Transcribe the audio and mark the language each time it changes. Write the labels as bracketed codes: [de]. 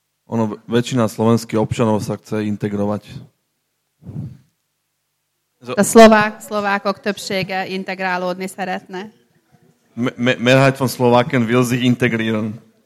[sk] Ono, väčšina slovenských občanov sa chce integrovať. [hu] A Slovákok többsége integrálódni szeretne. [de] Mehrheit von Slowaken will sich integrieren.